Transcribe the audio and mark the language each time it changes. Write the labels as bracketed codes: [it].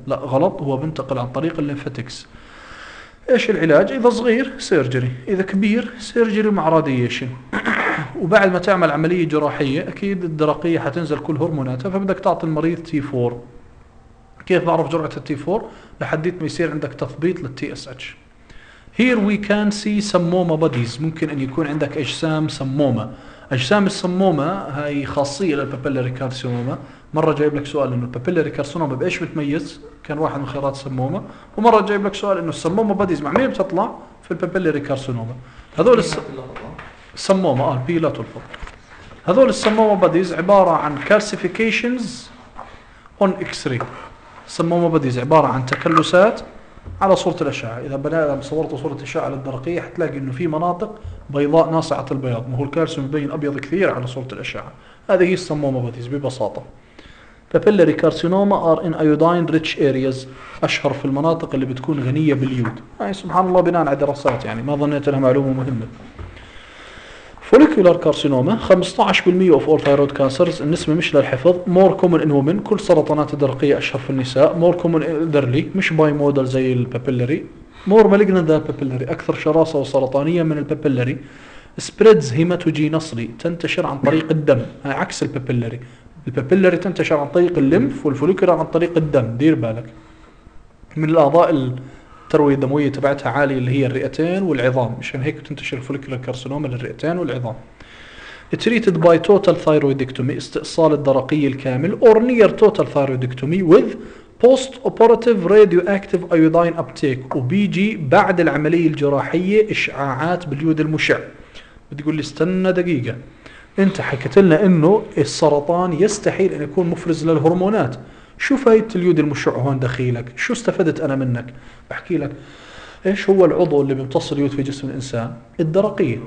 [ar] لا غلط، هو بنتقل عن طريق الليمفاتكس. إيش العلاج؟ إذا صغير سيرجري، إذا كبير سيرجري مع راديشن. وبعد ما تعمل عملية جراحية أكيد الدرقية حتنزل كل هرموناتها، فبدك تعطي المريض T4. كيف بعرف جرعة T4؟ لحديت ما يصير عندك تثبيط للـ TSH. [en] Here we can see sammoma bodies. [ar] ممكن أن يكون عندك أجسام سموما. أجسام السموما هاي خاصية للبابيلاري كارسينوما. مرة جايب لك سؤال إنه البابيلاري كارسينوما بإيش بتميز؟ كان واحد من خيارات السموما. ومرة جايب لك سؤال إنه السموما بديز مع مين بتطلع؟ في البابيلاري كارسينوما. هذول السموما هذول السموما بديز عبارة عن كالسيفيكيشنز [en] on X-ray. [ar] السموما بديز عبارة عن تكلسات على صورة الأشعة. إذا بنام صورت صورة أشعة للدرقية حتلاقي إنه في مناطق بيضاء ناصعة البياض، ما هو الكالسيوم يبين أبيض كثير على صورة الأشعة. هذه هي السموما بديز ببساطة. [en] Papillary carcinoma are in iodine rich areas. [ar] أشهر في المناطق اللي بتكون غنية باليود. أي سبحان الله بناء على دراسات، يعني ما ظنيت لها معلومة مهمة. [en] Follicular carcinoma 15% of all thyroid cancers. [ar] النسبة مش للحفظ. [en] More common in women. [ar] كل سرطانات الدرقية أشهر في النساء. [en] More common elderly. [ar] مش bimodal زي البابيلاري. [en] More malignant than papillary. [ar] أكثر شراسة وسرطانية من البابيلاري. [en] Spreads hematogenously. [ar] تنتشر عن طريق الدم. هي عكس البابيلاري. البابيلاري تنتشر عن طريق الليمف والفوليكولار عن طريق الدم. دير بالك. من الأعضاء التروية الدموية تبعتها عالية اللي هي الرئتين والعظام. مشان هيك تنتشر الفوليكولار كارسينوما للرئتين والعظام. [en] Treated by total thyroidectomy. [ar] استئصال الدرقية الكامل. [en] Or near total thyroidectomy with post-operative radioactive iodine uptake. [ar] وبيجي بعد العملية الجراحية إشعاعات باليود المشع. بتقول لي استنى دقيقة، انت حكيت لنا انه السرطان يستحيل ان يكون مفرز للهرمونات، شو فايدة اليود المشع هون دخيلك؟ شو استفدت انا منك؟ بحكي لك ايش هو العضو اللي بيمتص اليود في جسم الانسان؟ الدرقية.